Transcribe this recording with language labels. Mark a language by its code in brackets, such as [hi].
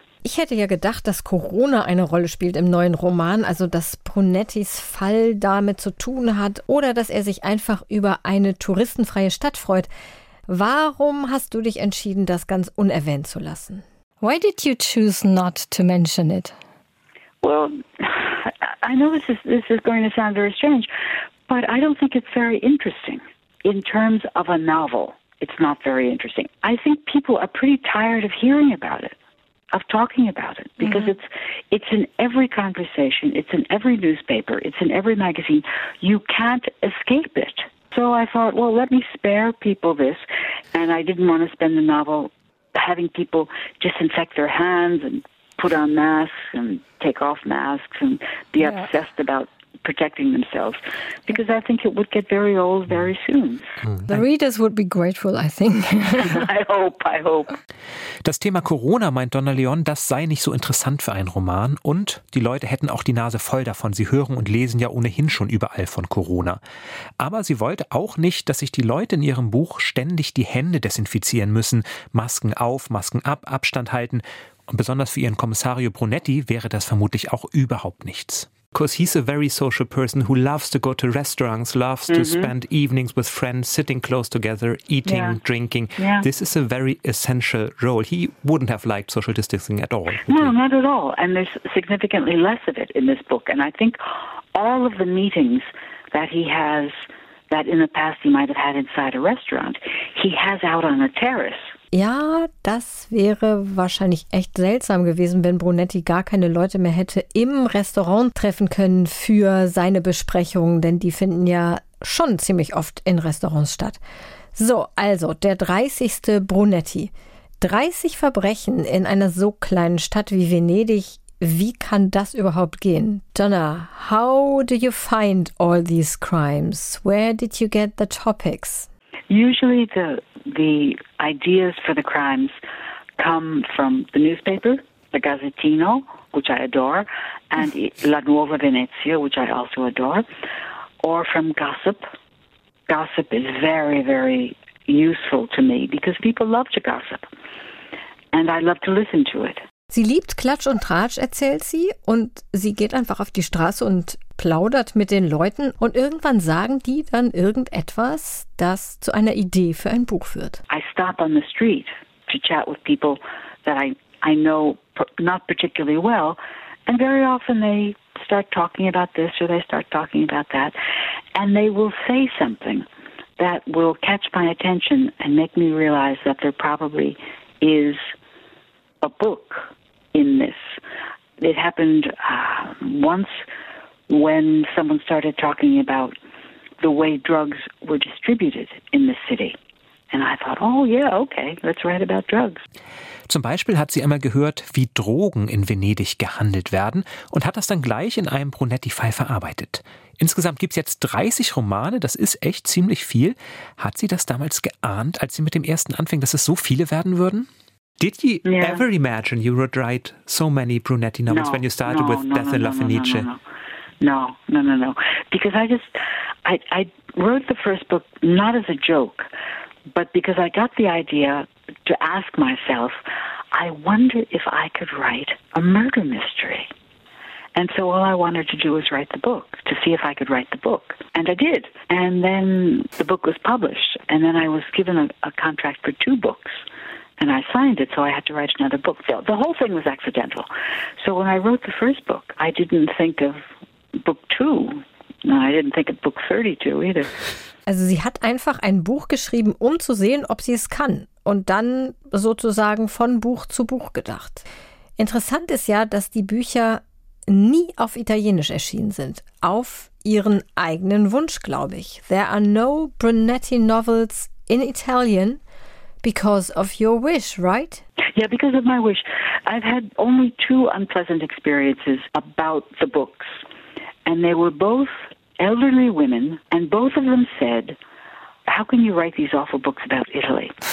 [de] Ich hätte ja gedacht, dass Corona eine Rolle spielt im neuen Roman, also dass Brunettis Fall damit zu tun hat oder dass er sich einfach über eine touristenfreie Stadt freut. Warum hast du dich entschieden, das ganz unerwähnt zu lassen? [en] Why did you choose not to mention it? Well, I know this is going to sound very strange, But I don't think it's very interesting. In terms of a novel, it's not very interesting. I think people are pretty tired of hearing about it, of talking about it, because it's in every conversation, it's in every newspaper, it's in every magazine. You can't escape it. So I thought, well, let me spare people this. And I didn't want to spend the novel having people disinfect their hands and put on masks and take off masks and be obsessed about protecting themselves, because I think it would get very old very soon. The readers would be grateful, I think. I hope. [de] Das Thema Corona, meint Donna Leon, das sei nicht so interessant für einen Roman. Und die Leute hätten auch die Nase voll davon. Sie hören und lesen ja ohnehin schon überall von Corona. Aber sie wollte auch nicht, dass sich die Leute in ihrem Buch ständig die Hände desinfizieren müssen. Masken auf, Masken ab, Abstand halten. Und besonders für ihren Kommissario Brunetti wäre das vermutlich auch überhaupt nichts. [en] Because he's a very social person who loves to go to restaurants, loves to spend evenings with friends, sitting close together, eating, drinking. Yeah. This is a very essential role. He wouldn't have liked social distancing at all. No, not at all. And there's significantly less of it in this book. And I think all of the meetings that he has, that in the past he might have had inside a restaurant, he has out on a terrace. [de] Ja, das wäre wahrscheinlich echt seltsam gewesen, wenn Brunetti gar keine Leute mehr hätte im Restaurant treffen können für seine Besprechungen, denn die finden ja schon ziemlich oft in Restaurants statt. So, also der 30. Brunetti. 30 Verbrechen in einer so kleinen Stadt wie Venedig. Wie kann das überhaupt gehen? [en] Donna, how do you find all these crimes? Where did you get the topics? Usually the ideas for the crimes come from the newspaper, the Gazzettino, which I adore, and La Nuova Venezia, which I also adore, or from gossip. Gossip is very, very useful to me because people love to gossip and I love to listen to it. [de] Sie liebt Klatsch und Tratsch, erzählt sie, und sie geht einfach auf die Straße und plaudert mit den Leuten, und irgendwann sagen die dann irgendetwas, das zu einer Idee für ein Buch führt. [en] I stop on the street to chat with people that I know not particularly well, and very often they start talking about this or they start talking about that, and they will say something that will catch my attention and make me realize that there probably is a book in this. It happened once when someone started talking about the way drugs were distributed in the city. And I thought, oh yeah, okay, let's write about drugs. [de] Zum Beispiel hat sie einmal gehört, wie Drogen in Venedig gehandelt werden, und hat das dann gleich in einem Brunetti-Fall verarbeitet. Insgesamt gibt es jetzt 30 Romane, das ist echt ziemlich viel. Hat sie das damals geahnt, als sie mit dem ersten anfing, dass es so viele werden würden? [en] Did you ever imagine you would write so many Brunetti novels when you started with Death in La Fenice? No. Because I wrote the first book not as a joke, but because I got the idea to ask myself, I wonder if I could write a murder mystery. And so all I wanted to do was write the book, to see if I could write the book. And I did. And then the book was published. And then I was given a contract for 2 books. And I signed it, so I had to write another book. The whole thing was accidental. So when I wrote the first book, I didn't think of book 2. No, I didn't think of book 32 either. [de] Also sie hat einfach ein Buch geschrieben, um zu sehen, ob sie es kann. Und dann sozusagen von Buch zu Buch gedacht. Interessant ist ja, dass die Bücher nie auf Italienisch erschienen sind. Auf ihren eigenen Wunsch, glaube ich. [en] There are no Brunetti novels in Italian. Because of your wish, right? Yeah, because of my wish. I've had only 2 unpleasant experiences about the books. And they were both elderly women. And both of them said, how can you write these awful books about Italy?